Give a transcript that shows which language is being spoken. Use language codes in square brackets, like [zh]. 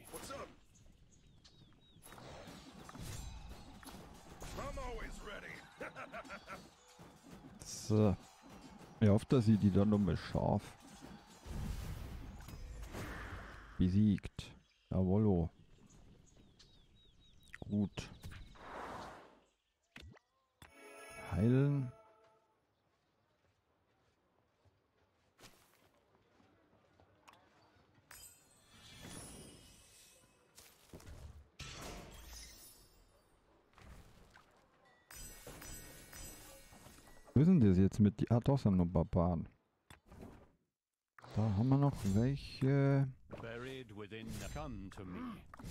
[en] What's up? I'm always ready. So. [de] Ich hoffe, dass ich die dann nochmal scharf besiegt. Jawollo. Gut. Heilen. Was sind das jetzt mit die? Ah, doch, sind noch Barbaren. Da haben wir noch welche. [en] Buried within the, come to me.